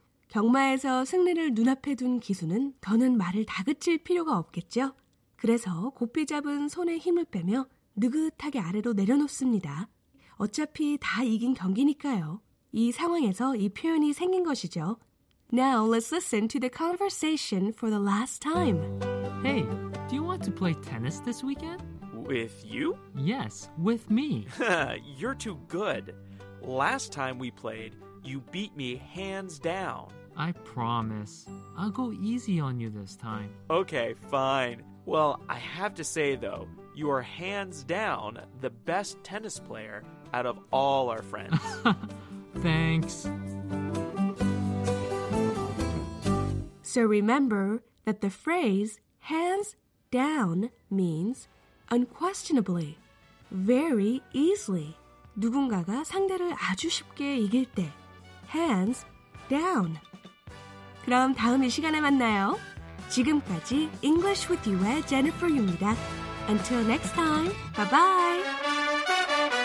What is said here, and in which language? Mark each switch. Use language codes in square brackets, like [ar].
[ko] 경마에서 승리를 눈앞에 둔 기수는 더는 말을 다그칠 필요가 없겠죠? 그래서 고삐 잡은 손의 힘을 빼며 느긋하게 아래로 내려놓습니다. 어차피 다 이긴 경기니까요. 이 상황에서 이 표현이 생긴 것이죠. [en] Now let's listen to the conversation for the last time. Hey, do you want to play tennis this weekend? With you? Yes, with me. You're too good. Last time we played, you beat me hands down. I promise. I'll go easy on you this time. Okay, fine. Well, I have to say, though, you are hands down the best tennis player out of all our friends. Thanks. So remember that the phrase hands down means unquestionably, very easily. [ko] 누군가가 상대를 아주 쉽게 이길 때. [en] Hands down. [ko] 그럼 다음 이 시간에 만나요. 지금까지 English with You의 Jennifer입니다. [en] Until next time, bye-bye.